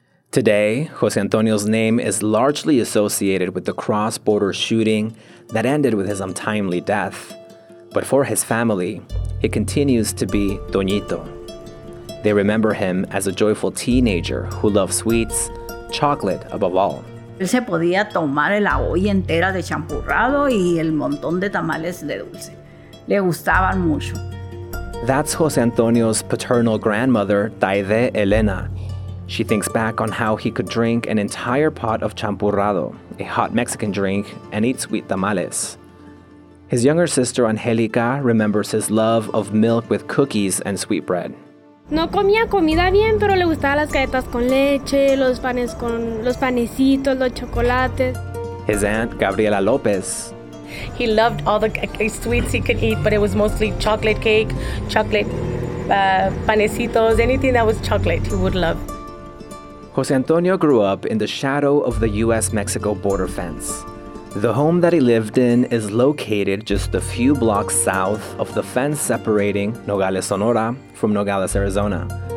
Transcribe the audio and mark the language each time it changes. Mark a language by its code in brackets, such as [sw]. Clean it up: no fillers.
[en] Today, Jose Antonio's name is largely associated with the cross-border shooting that ended with his untimely death. But for his family, he continues to be Toñito. They remember him as a joyful teenager who loved sweets, chocolate above all. [es] Él se podía tomar la olla entera de champurrado y el montón de tamales de dulce. Le gustaban mucho. [en] That's Jose Antonio's paternal grandmother, Taide Elena. She thinks back on how he could drink an entire pot of champurrado, a hot Mexican drink, and eat sweet tamales. His younger sister, Angelica, remembers his love of milk with cookies and sweetbread. [es] No comía comida bien, pero le gustaban las galletas con leche, los panes con los panecitos, los chocolates. [en] His aunt, Gabriela López. He loved all the sweets he could eat, but it was mostly chocolate cake, chocolate panecitos, anything that was chocolate he would love. Jose Antonio grew up in the shadow of the U.S.-Mexico border fence. The home that he lived in is located just a few blocks south of the fence separating Nogales, Sonora from Nogales, Arizona.